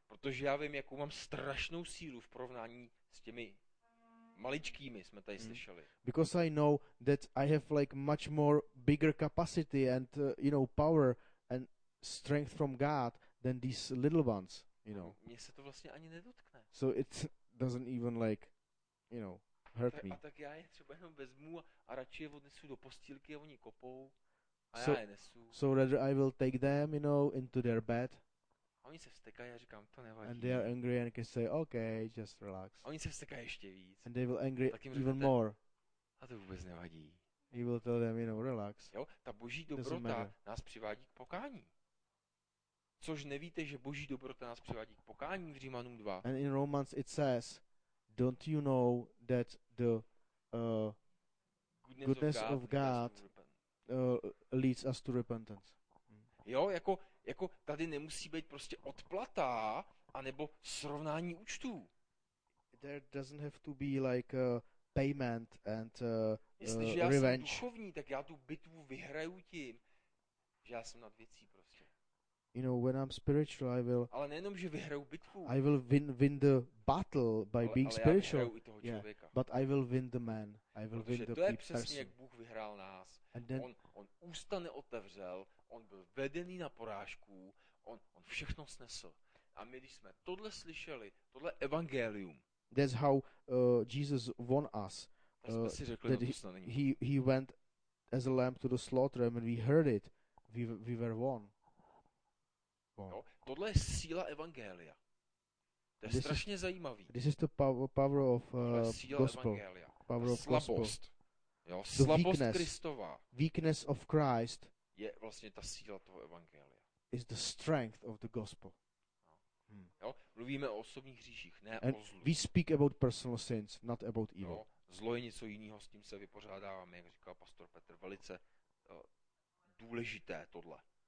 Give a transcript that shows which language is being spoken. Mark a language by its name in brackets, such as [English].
[Czech] Protože já vím, jakou mám strašnou sílu v porovnání s těmi maličkými, jsme tady slyšeli. [English] Because I know that I have like much more bigger capacity and you know, power and strength from God than these little ones, you know. [Czech] Mě se to vlastně ani nedotkne. [English] So it doesn't even like, you know, hurt me. [Czech] A tak já je třeba jenom vezmu a radši je odnesu do postýlky a oni kopou a so, já je nesu. [English] So rather I will take them, you know, into their bed. [Czech] A oni se vztekají a říkám, to nevadí. [English] And they are angry and can say, okay, just relax. [Czech] A oni se vztekají ještě víc. [English] And they will angry even more. [Czech] A to vůbec nevadí. [English] He will tell them, you know, relax. [Czech] Jo, ta boží dobrota nás přivádí k pokání. Což nevíte, že boží dobrota nás přivádí k pokání v Římanům 2. [English] And in Romans it says, don't you know that the goodness of God leads us to repentance. [Czech] Jo, jako tady nemusí být prostě odplata anebo srovnání účtů. [English] There doesn't have to be like a payment and revenge. [Czech] Jestliže já jsem duchovní, tak já tu bitvu vyhraju tím, že já jsem nad věcí prostě. [English] You know, when I'm spiritual, I will. [Czech] Ale nejenom, že vyhraju bitvu. [English] I will win the battle by being spiritual. [Czech] Ale já vyhraju i toho člověka. [English] Yeah. But I will win the man. I will [Czech] protože [English] win the [Czech] to je [English] person. [Czech] Přesně, jak Bůh vyhrál nás. [English] And then, [Czech] on ústa neotevřel, on byl vedený na porážku, on všechno snesl. A my, když jsme tohle slyšeli, tohle evangelium. [English] That's how Jesus won us. He went as a lamb to the slaughter, and when we heard it, we were won. [Czech] Jo, tohle je síla evangelia. To je strašně zajímavý. [English] This is the power of gospel. Power of [Czech] slabost. Jo, slabost Kristova. [English] Weakness of Christ [Czech] je vlastně ta síla toho evangelia. [English] Is the strength of the gospel. [Czech] Jo, mluvíme o osobních hříších, ne [English] and [Czech] o zlu. [English] We speak about personal sins, not about evil. [Czech] Jo, zlo je něco jiného, s tím se vypořádáváme, jak říkal pastor Petr, velice důležité tohle.